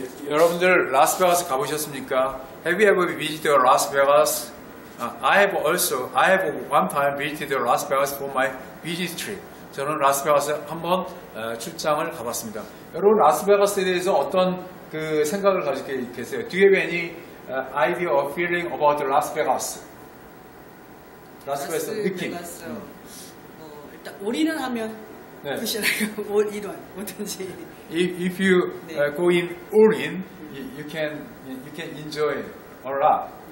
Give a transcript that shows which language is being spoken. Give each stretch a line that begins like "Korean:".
Korean: 여러분들 라스베가스 가보셨습니까?
English: Have you ever visited Las Vegas? I have one time visited Las Vegas for my business trip.
Korean: 저는 라스베가스 한번 출장을 가봤습니다. 여러분 라스베가스에 대해서 어떤 그 생각을 가지고 계세요?
English: Do you have any idea or feeling about Las Vegas?
Korean: 라스베가스 느낌. 일단 올인은 하면 보시라고 네. 올인은 어떤지.
English: If you
Korean: 네.
English: Go in all-in, you can enjoy a lot.